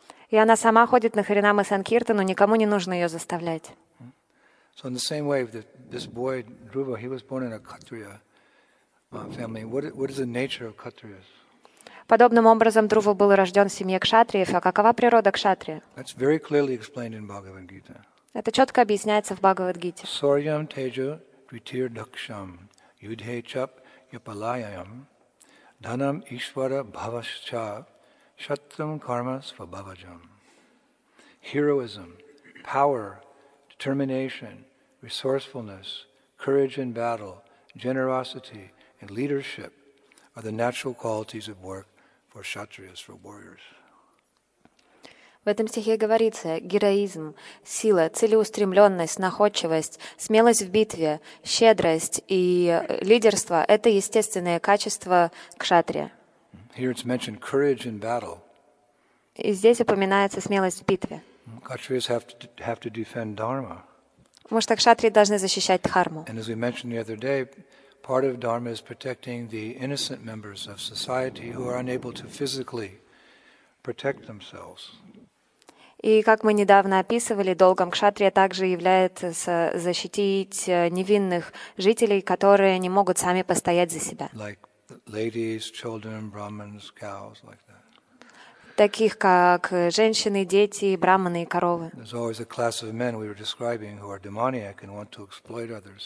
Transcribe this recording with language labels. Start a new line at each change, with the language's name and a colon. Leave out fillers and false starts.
Russian: И она сама ходит на Харинамы Санкиртану, но никому не нужно ее заставлять.
English: So in the same way, this boy, Dhruva, he was born in a Kshatriya family. What is the nature of Kshatriyas?
Russian: Подобным образом Друва был рожден в семье кшатриев, а какова природа кшатрия?
English: That's very clearly explained in Bhagavad Gita.
Russian: Это четко объясняется в Бхагавад-гите.
Sanskrit: Сорьям тежо дритир дакшам юдхе чап япалаям данам ишвара бхавашча шаттам карма свабаваджам.
English: Heroism, power, determination, resourcefulness, courage in battle, generosity, and leadership are the natural qualities of work for kshatriyas, for warriors.
Russian: В этом стихе говорится: героизм, сила, целеустремленность, находчивость, смелость в битве, щедрость и лидерство — это естественные качества кшатрия.
English: Here it's mentioned courage in battle.
Russian: И здесь упоминается смелость в битве.
English: Kshatriyas have to defend dharma.
Russian: Потому что кшатрии должны защищать дхарму.
English: And as we mentioned the other day, part of dharma is protecting the innocent members of society who are unable to physically protect themselves.
Russian: И как мы недавно описывали, долгом кшатрия также является защитить невинных жителей, которые не могут сами постоять за себя.
English: Like ladies, children, brahmins, cows, like that.
Russian: Таких как женщины, дети, брахманы и коровы.
English: There's always a class of men we were describing who are demoniac and want to exploit others.